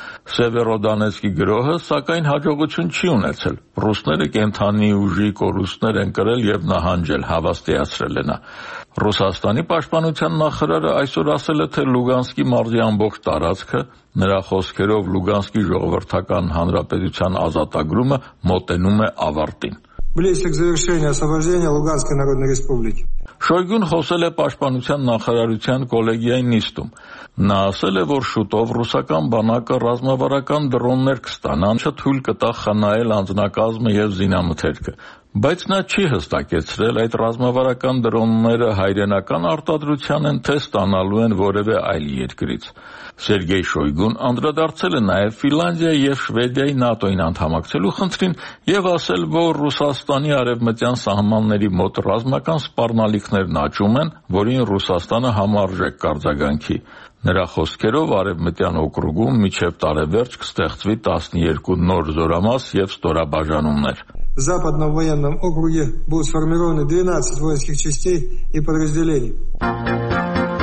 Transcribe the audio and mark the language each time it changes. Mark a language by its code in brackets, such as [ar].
[hy] Սևերոդոնեցկի գրոհը, սակայն, հաջողություն չի ունեցել, ռուսները կենթանի ուժի կորուստներ են կրել և նահանջել, հավաստիացրել է նա։ Ռուսաստանի պաշտպանության նախարարը այսօր ասել է, թե Լուգանսկի մարզի ամբողջ տարածքը, նրա խոսքերով Լուգանսկի ժողովրդական հանրապետության ազատագրումը մոտենում է ավարտին։ [ru] Близко к завершению освобождения Луганской Народной Республики. [hy] Շոյգուն խոսել է պաշտպանության նախարարության կոլեգիայի նիստում։ Նա ասել է, որ շուտով ռուսական բանակը ռազմավարական դրոններ կստանան, չթույլ կտա խնայել անձնակազմը և զինամթերքը։ Բայց նա չի հստակեցրել, այդ ռազմավարական դրոնները հայրենական արտադրության են, թե ստանալու են որևէ այլ երկրից։ Սերգեյ Շոյգուն անդրադարձել է նաև Ֆինլանդիա և Շվեդիայի ՆԱՏՕ-ին անդամակցելու խնդրին և ասել, որ Ռուսաստանի արևմտյան սահմանների մոտ ռազմական սպառնալիքներ աճում են, որին Ռուսաստանը համարժեք կարձագանքի։ Նրա խոսքերով արևմտյան օկրուգում մինչև տարեվերջ կստեղծվի 12 նոր զորամաս և ստորաբաժանումներ։ [ru] В Западном военном округе будут сформированы 12 воинских частей и подразделений.